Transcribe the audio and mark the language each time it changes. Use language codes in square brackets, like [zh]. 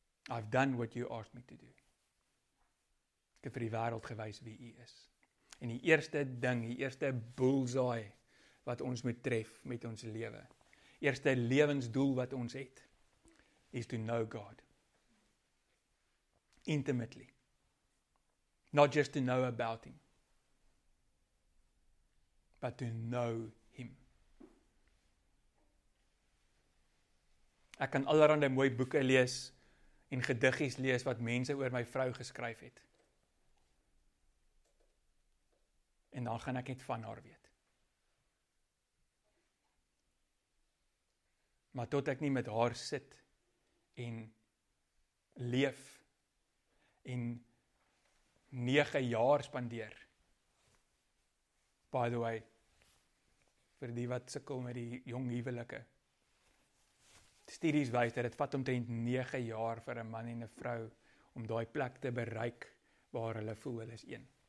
[en] I've done what you asked me to do. [af] Ek het vir die wêreld gewys wie u is. En die eerste ding, die eerste bullseye wat ons moet tref met ons lewe. Eerste lewensdoel wat ons het is to know God. [en] Intimately. Not just to know about him. But to know him. [af] Ek kan allerlei mooi boeke lees en gediggies lees wat mense oor my vrou geskryf het. En dan gaan ek net van haar weet. Maar tot ek nie met haar sit en leef en 9 jaar spandeer. By the way, vir die wat sukkel met die jong huwelike. Studies wys dat dit vat omtrent 9 jaar vir 'n man en 'n vrou om daai plek te bereik waar hulle voel hulle is een.